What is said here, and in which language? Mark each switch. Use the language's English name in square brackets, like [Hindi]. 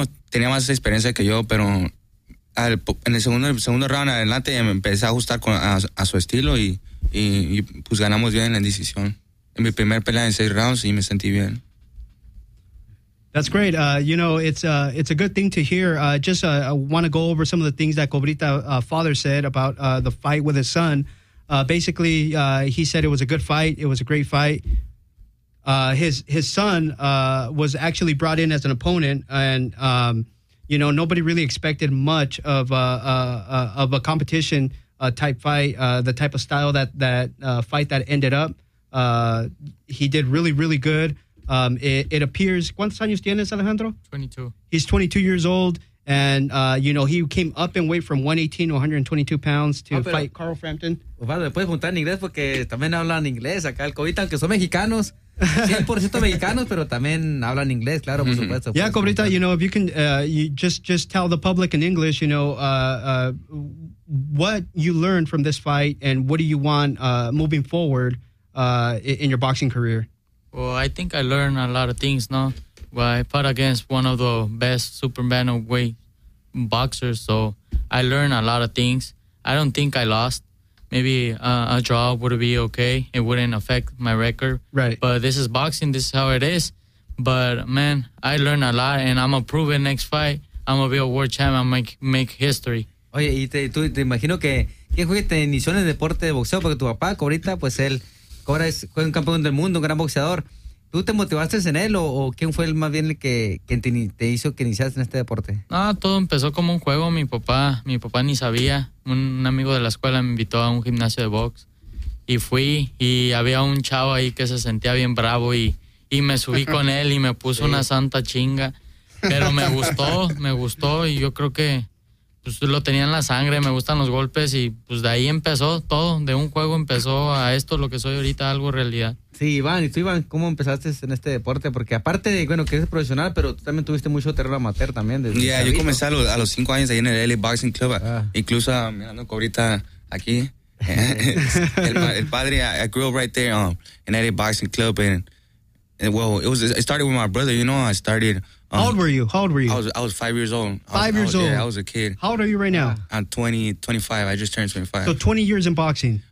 [Spanish] Tenía más experiencia que yo, pero en el segundo round adelante me empecé a ajustar a su estilo y pues ganamos bien en la decisión. En mi primer pelea en 6 rounds y me sentí bien. [English] That's great. It's a good thing to hear. I want to go over some of the things that Cobrita's father said about the fight with his son. Basically, he said it was a good fight. It was a great fight. His son was actually brought in as an opponent, and nobody really expected much of a competition type fight, the type of style that fight that ended up. He did really, really good. It appears, [Spanish] ¿cuántos años tienes, Alejandro? [English] 22. He's 22 years old, and he came up in weight from 118 to 122 pounds to fight Carl Frampton. [Spanish] Bueno, le puedes preguntar en inglés porque también hablan inglés acá el Cobrita, aunque son mexicanos, 100% mexicanos, pero también hablan inglés, claro, por supuesto. Mm-hmm. [English] Yeah, Cobrita, if you can you just tell the public in English, what you learned from this fight and what do you want moving forward in your boxing career? Well, I think I learned a lot of things, no? Well, I fought against one of the best super middleweight boxers, so I learned a lot of things. I don't think I lost. Maybe a draw would be okay. It wouldn't affect my record. Right. But this is boxing. This is how it is. But, man, I learned a lot, and I'm going to prove it next fight. I'm going to be a world champion. I'm going to make history. [Spanish] Oye, y te imagino que... ¿Qué fue que te inició en el deporte de boxeo? Porque tu papá, Cobrita, pues él... Ahora fue un campeón del mundo, un gran boxeador. ¿Tú te motivaste en él o quién fue el que te hizo que iniciaste en este deporte? No, todo empezó como un juego. Mi papá ni sabía. Un amigo de la escuela me invitó a un gimnasio de box y fui, y había un chavo ahí que se sentía bien bravo y me subí con él y me puso una santa chinga. Pero me gustó y yo creo que pues lo tenía en la sangre, me gustan los golpes y pues de ahí empezó todo, de un juego empezó a esto, lo que soy ahorita, algo realidad. Sí, Iván, ¿y tú, Iván, cómo empezaste en este deporte? Porque aparte de, bueno, que eres profesional, pero tú también tuviste mucho terreno amateur también. Yo comencé a los 5 años ahí en el LA Boxing Club, incluso mirando Cobrita aquí. el padre, [English] I grew up right there in LA Boxing Club it started with my brother, I started... How old were you? I was 5 years old. Yeah, I was a kid. How old are you right now? I'm 20, 25. I just turned 25. So 20 years in boxing.